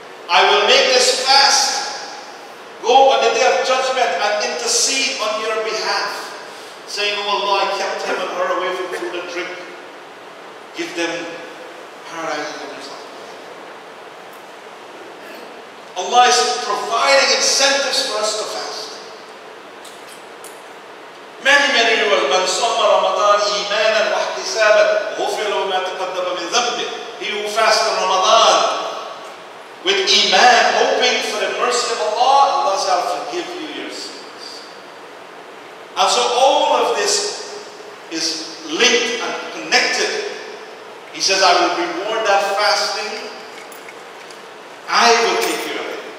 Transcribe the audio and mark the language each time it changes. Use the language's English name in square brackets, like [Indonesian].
[English] I will make this fast go on the day of judgment and intercede on your behalf, saying, oh Allah, I kept him and her away from food and drink. Give them paradise and the result. Allah is providing incentives for us to fast. Many, many rewards. [Arabic] من صام رمضان إيمانا واحتسابا غفر له ما تقدم من ذنبه. [English] He who fasts in Ramadan with Iman, hoping for the mercy of Allah, Allah shall forgive you your sins. And so all of this is linked and connected. He says, I will reward that fasting. I will take care of it.